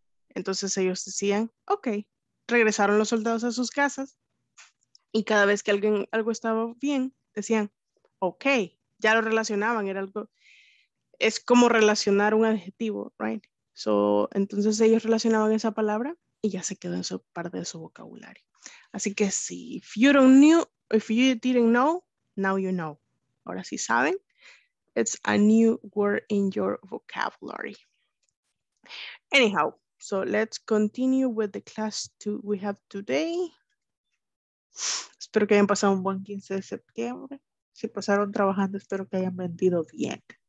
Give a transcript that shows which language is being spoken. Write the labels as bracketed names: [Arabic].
[Spanish] Entonces ellos decían, ok. Regresaron los soldados a sus casas y cada vez que alguien algo estaba bien, decían, ok. Ya lo relacionaban, era algo... Es como relacionar un adjetivo, [English] right? [Spanish] So, entonces ellos relacionaban esa palabra y ya se quedó en su parte de su vocabulario. Así que si, [English] if you didn't know, now you know. [Spanish] Ahora sí saben, [English] it's a new word in your vocabulary. Anyhow, so let's continue with the class we have today. [Spanish] Espero que hayan pasado un buen 15 de septiembre. Si pasaron trabajando, espero que hayan vendido bien.